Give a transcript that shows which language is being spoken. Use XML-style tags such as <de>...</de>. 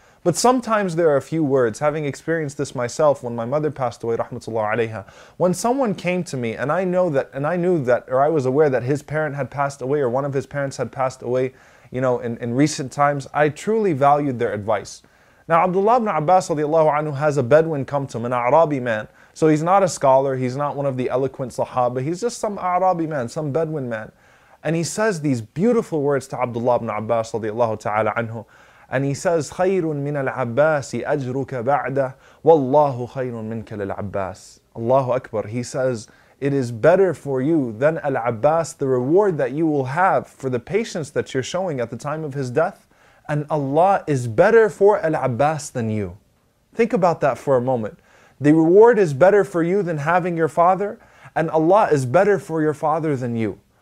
<en>But sometimes there are a few words, having experienced this myself when my mother passed away, rahmatullah alayha, when someone came to me and I was aware that his parent had passed away or one of his parents had passed away, you know, in recent times, I truly valued their advice. Now Abdullah ibn Abbas radiallahu anhu has a Bedouin come to him, an Arabi man. So he's not a scholar, he's not one of the eloquent Sahaba, he's just some Arabi man, some Bedouin man. And he says these beautiful words to Abdullah ibn Abbas radiallahu ta'ala anhu. And he says,</en> <ar>خَيْرٌ مِنَ الْعَبَّاسِ أَجْرُكَ بَعْدَهُ وَاللَّهُ خَيْرٌ مِنْكَ لِلْعَبَّاسِ. Allahu Akbar.</ar> <en>He says, it is better for you than Al-Abbas, the reward that you will have for the patience that you're showing at the time of his death. And Allah is better for Al-Abbas than you. Think about that for a moment. The reward is better for you than having your father. And Allah is better for your father than you.</en>